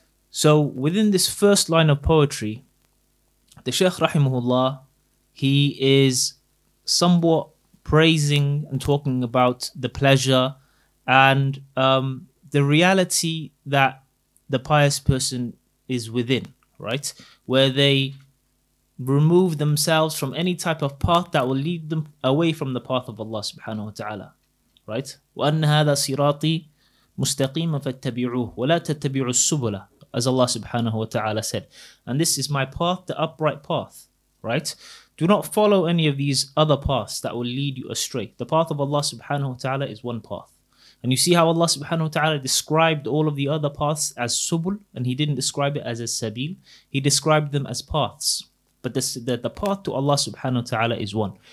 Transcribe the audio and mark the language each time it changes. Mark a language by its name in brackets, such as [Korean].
[English] So within this first line of poetry, the Shaykh rahimahullah, he is somewhat praising and talking about the pleasure and the reality that the pious person is within, right? Where they remove themselves from any type of path that will lead them away from the path of Allah subhanahu wa ta'ala, right? [Arabic] وَأَنَّ هَذَا صِرَاطِي مُسْتَقِيمًا فَاتَّبِعُوهُ وَلَا تَتَّبِعُوا السُّبُلَ, [English] as Allah subhanahu wa ta'ala said. And this is my path, the upright path, right? Do not follow any of these other paths that will lead you astray. The path of Allah subhanahu wa ta'ala is one path. And you see how Allah subhanahu wa ta'ala described all of the other paths as subul, and he didn't describe it as a sabil. He described them as paths. But the path to Allah subhanahu wa ta'ala is one.